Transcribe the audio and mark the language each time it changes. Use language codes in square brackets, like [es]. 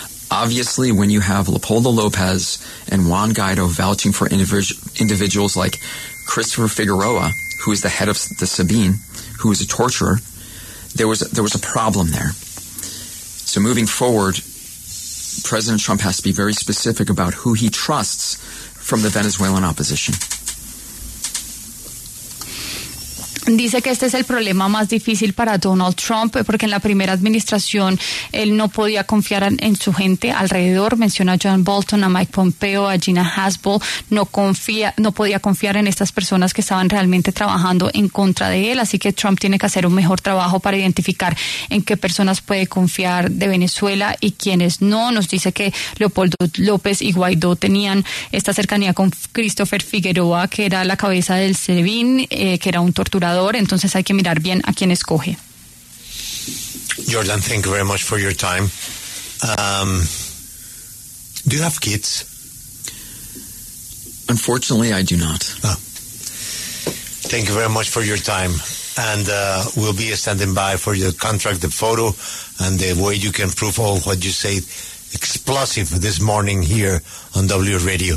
[en] Obviously, when you have Leopoldo Lopez and Juan Guaido vouching for individuals like Christopher Figueroa, who is the head of the Sabine, who is a torturer, there was a problem there. So moving forward, President Trump has to be very specific about who he trusts from the Venezuelan opposition. [es] Dice que este es el problema más difícil para Donald Trump, porque en la primera administración él no podía confiar en su gente alrededor. Menciona a John Bolton, a Mike Pompeo, a Gina Haspel. No podía confiar en estas personas que estaban realmente trabajando en contra de él. Así que Trump tiene que hacer un mejor trabajo para identificar en qué personas puede confiar de Venezuela y quiénes no. Nos dice que Leopoldo López y Guaidó tenían esta cercanía con Christopher Figueroa, que era la cabeza del Sebin, que era un torturador. Entonces hay que mirar bien a quién escoge. [en] Jordan, thank you very much for your time. Do you have kids? Unfortunately, I do not. Oh. Thank you very much for your time. And we'll be standing by for your contract, the photo, and the way you can prove all what you say explosive this morning here on W Radio.